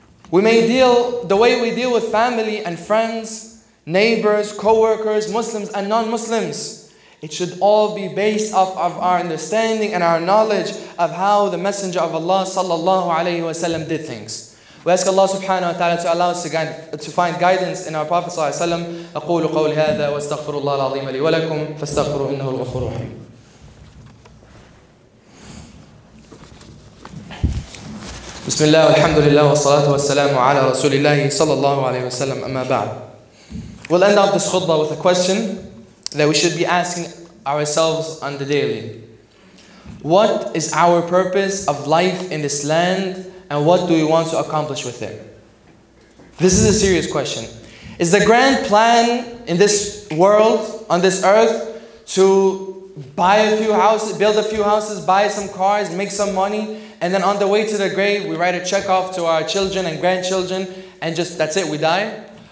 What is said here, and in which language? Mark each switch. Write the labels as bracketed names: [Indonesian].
[English] We may deal the way we deal with family and friends, neighbors, co-workers, Muslims and non-Muslims. It should all be based off of our understanding and our knowledge of how the Messenger of Allah sallallahu alaihi wasallam did things. We ask Allah subhanahu wa ta'ala to allow us to find guidance in our Prophet sallallahu alayhi wa sallam. [Arabic] أقول قول هذا واستغفر الله العظيم لي ولكم فاستغفروا إنه الغفور الرحيم. بسم الله والحمد لله والصلاة والسلام على رسول الله صلى الله عليه وسلم أما بعد. [English] We'll end off this khutbah with a question that we should be asking ourselves on the daily. What is our purpose of life in this land? And what do we want to accomplish with it? This is a serious question. Is the grand plan in this world, on this earth, to buy a few houses, build a few houses, buy some cars, make some money, and then on the way to the grave, we write a check off to our children and grandchildren, and just that's it, we die?